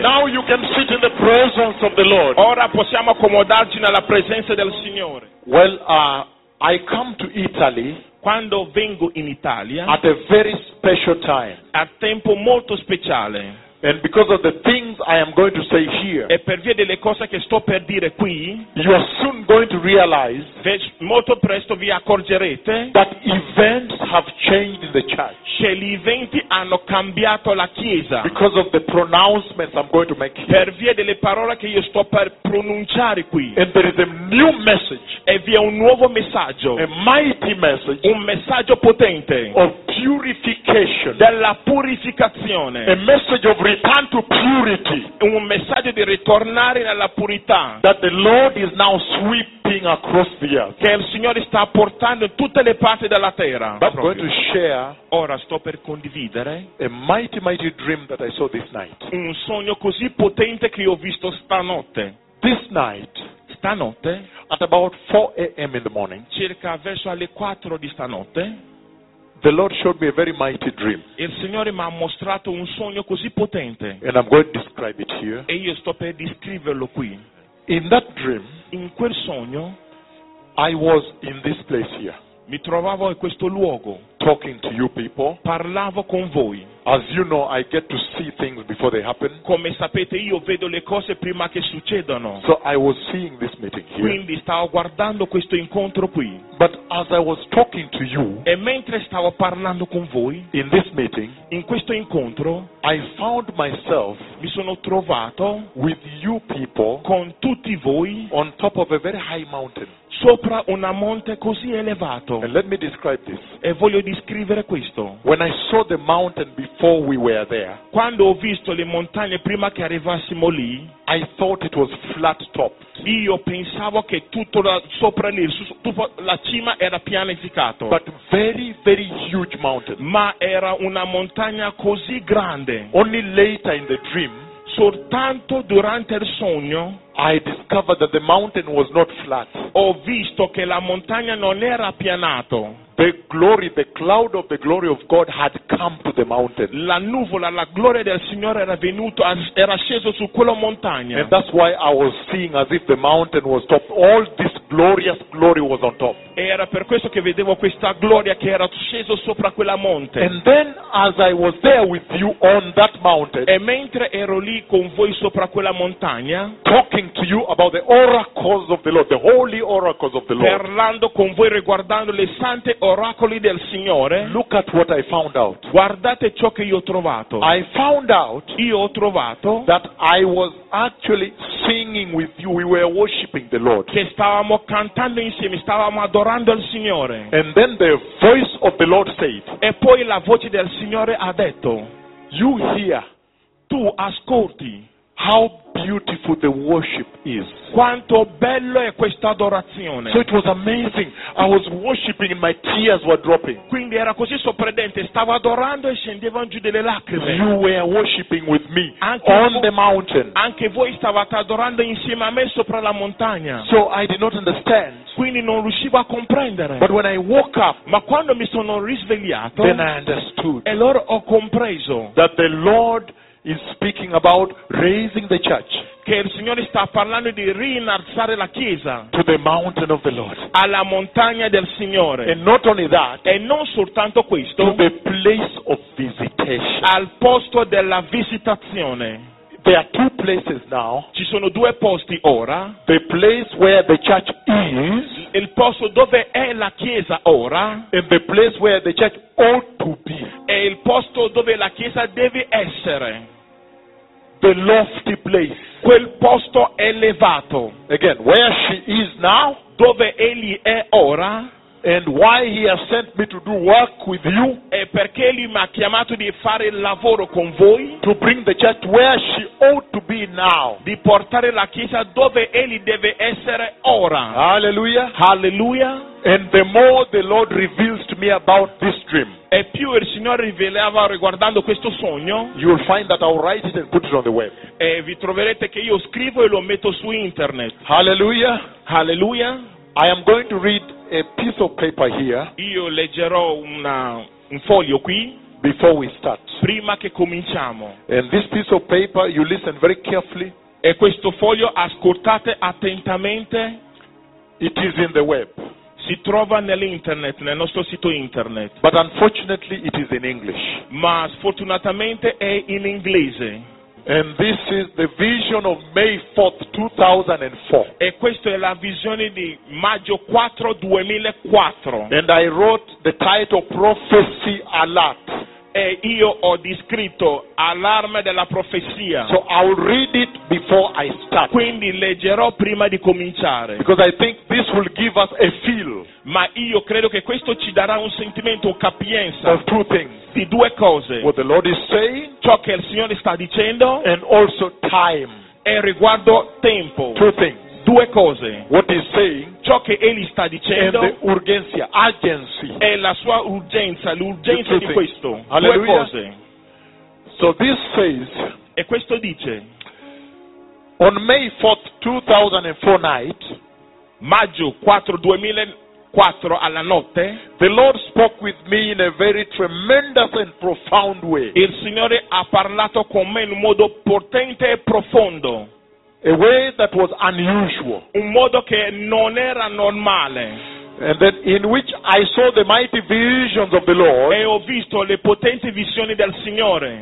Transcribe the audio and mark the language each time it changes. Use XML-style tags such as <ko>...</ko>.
<en>Now you can sit in the presence of the Lord.</en> <it>Ora possiamo accomodarci nella presenza del Signore.</it> <en>Well, I come to Italy.</en> <it>Quando vengo in Italia.</it> <en>At a very special time.</en> <it>A tempo molto speciale.</it> <en>And because of the things I am going to say here.</en> <it>E per via delle cose che sto per dire qui.</it> <en>You are soon going to realize.</en> <it>Molto presto vi accorgerete.</it> <en>That events have changed the church.</en> <it>Che gli eventi hanno cambiato la chiesa.</it> <en>Because of the pronouncements I'm going to make here.</en> <it>Per via delle parole che io sto per pronunciare qui.</it> <en>And there is a new message.</en> <it>E vi è un nuovo messaggio.</it> <en>A mighty message.</en> <it>Un messaggio potente.</it> <en>Of purification.</en> <it>Della purificazione.</it> <en>A message of return to purity.</en> <it>Un messaggio di ritornare alla purità.</it> <en>That the Lord is now sweeping across the earth.</en> <it>Che il Signore sta portando in tutte le parti della terra.</it> <en>But I'm going to share.</en> <it>Ora sto per condividere.</it> <en>A mighty, mighty dream that I saw this night.</en> <it>Un sogno così potente che io ho visto stanotte.</it> <en>This night.</en> <it>Stanotte.</it> <en>At about 4 a.m. in the morning.</en> <it>Circa verso alle 4 di stanotte.</it> <en>The Lord showed me a very mighty dream.</en> <it>Il Signore mi ha mostrato un sogno così potente.</it> <en>And I'm going to describe it here.</en> <it>E io sto per descriverlo qui.</it> <en>In that dream,</en> <it>in quel sogno,</it> <en>I was in this place here.</en> <it>Mi trovavo in questo luogo.</it> <en>Talking to you people.</en> <it>Parlavo con voi.</it> <en>As you know, I get to see things before they happen.</en> <it>Come sapete, io vedo le cose prima che succedano.</it> <en>So I was seeing this meeting here.</en> <it>Quindi stavo guardando questo incontro qui.</it> <en>But as I was talking to you,</en> <it>e mentre stavo parlando con voi,</it> <en>in this meeting,</en> <it>in questo incontro,</it> <en>I found myself,</en> <it>mi sono trovato,</it> <en>with you people,</en> <it>con tutti voi,</it> <en>on top of a very high mountain,</en> <it>sopra un monte così elevato.</it> <en>And let me describe this.</en> <it>E voglio descrivere questo.</it> <en>When I saw the mountain before we were there,</en> <it>quando ho visto le montagne prima che arrivassimo lì,</it> <en>I thought it was flat topped.</en> <it>Io pensavo che tutto la, sopra lì, tutta la cima era pianificato.</it> <en>But very, very huge mountain.</en> <it>Ma era una montagna così grande.</it> <en>Only later in the dream,</en> <it>soltanto durante il sogno,</it> <en>I discovered that the mountain was not flat.</en> <it>Ho visto che la montagna non era appianato.</it> <en>The glory, the cloud of the glory of God had come to the mountain.</en> <it>La nuvola, la gloria del Signore era venuto, era sceso su quella montagna.</it> <en>And that's why I was seeing as if the mountain was top. All this glorious glory was on top.</en> <it>Era per questo che vedevo questa gloria che era sceso sopra quella monte.</it> <en>And then, as I was there with you on that mountain,</en> <it>e mentre ero lì con voi sopra quella montagna,</it> <en>talking to you about the oracles of the Lord, the holy oracles of the Lord,</en> <it>parlando con voi riguardando le sante oracoli del Signore,</it> <en>look at what I found out.</en> <it>Guardate ciò che io ho trovato.</it> <en>I found out,</en> <it>io ho trovato,</it> <en>that I was actually singing with you. We were worshiping the Lord.</en> <it>Che stavamo cantando insieme, stavamo adorando il Signore.</it> <en>And then the voice of the Lord said,</en> <it>e poi la voce del Signore ha detto,</it> <en>you hear,</en> <it>tu ascolti,</it> <en>how beautiful the worship is.</en> <it>Quanto bello è questa adorazione.</it> <en>So it was amazing. I was worshiping and my tears were dropping.</en> <it>Quindi era così sorprendente. Stavo adorando e scendevano giù delle lacrime.</it> <en>You were worshiping with me</en> <it>anche</it> <en>on the mountain.</en> <it>Anche voi stavate adorando insieme a me sopra la montagna.</it> <en>So I did not understand.</en> <it>Quindi non riuscivo a comprendere.</it> <en>But when I woke up,</en> <it>ma quando mi sono risvegliato,</it> <en>then I understood.</en> <it>E allora ho compreso</it> <en>that the Lord is speaking about raising the church.</en> <it>Che il Signore sta parlando di rinalzare la chiesa.</it> <en>To the mountain of the Lord.</en> <it>Alla montagna del Signore.</it> <en>And not only that.</en> <it>E non soltanto questo.</it> <en>To the place of visitation.</en> <it>Al posto della visitazione.</it> <en>There are two places now.</en> <it>Ci sono due posti ora.</it> <en>The place where the church is.</en> <it>Il posto dove è la chiesa ora.</it> <en>And the place where the church ought to be.</en> <it>È il posto dove la chiesa deve essere.</it> <en>The lofty place.</en> <it>Quel posto elevato.</it> <en>Again, where she is now.</en> <it>Dove egli è ora.</it> <en>And why he has sent me to do work with you.</en> <it>E perché lui mi ha chiamato di fare il lavoro con voi.</it> <en>To bring the church where she ought to be now.</en> <it>Di portare la chiesa dove egli deve essere ora.</it> <en>Hallelujah.</en> <it>Hallelujah.</it> <en>And the more the Lord reveals to me about this dream.</en> <it>E più il Signore rivelava riguardando questo sogno.</it> <en>You'll find that I'll write it and put it on the web.</en> <it>E vi troverete che io scrivo e lo metto su internet.</it> <en>Hallelujah.</en> <it>Hallelujah.</it> <en>I am going to read a piece of paper here.</en> <it>Io leggerò un foglio qui.</it> <en>Before we start.</en> <it>Prima che cominciamo.</it> <en>And this piece of paper, you listen very carefully.</en> <it>E questo foglio ascoltate attentamente.</it> <en>It is in the web.</en> <it>Si trova nell'internet, nel nostro sito internet.</it> <en>But unfortunately it is in English.</en> <it>Ma sfortunatamente è in inglese.</it> <en>And this is the vision of May 4th, 2004.</en> <it>E questa è la visione di maggio 4, 2004.</it> <en>And I wrote the title Prophecy Alert.</en> <it>E io ho descritto allarme della profezia.</it> <en>So I'll read it before I start.</en> <it>Quindi leggerò prima di cominciare.</it> <en>Because I think this will give us a feel.</en> <it>Ma io credo che questo ci darà un sentimento, un capienza</it> <en>of two things.</en> <it>Di due cose.</it> <en>What the Lord is saying.</en> <it>Ciò che il Signore sta dicendo.</it> <en>And also time.</en> <it>E riguardo tempo.</it> <en>Two things.</en> <it>Due cose.</it> <en>What he's saying.</en> <it>Ciò che egli sta dicendo.</it> <en>And the urgencia, urgency.</en> <it>È la sua urgenza, l'urgenza di questo.</it> <en>Hallelujah.</en> <it>Due cose.</it> <en>So this says.</en> <it>E questo dice.</it> <en>On May 4th, 2004 night.</en> <it>Maggio 4, 2004 alla notte.</it> <en>The Lord spoke with me in a very tremendous and profound way.</en> <it>Il Signore ha parlato con me in un modo potente e profondo.</it> <en>A way that was unusual.</en> <it>Un modo che non era normale.</it> <en>And that in which I saw the mighty visions of the Lord.</en> <it>E ho visto le potenti visioni del Signore.</it>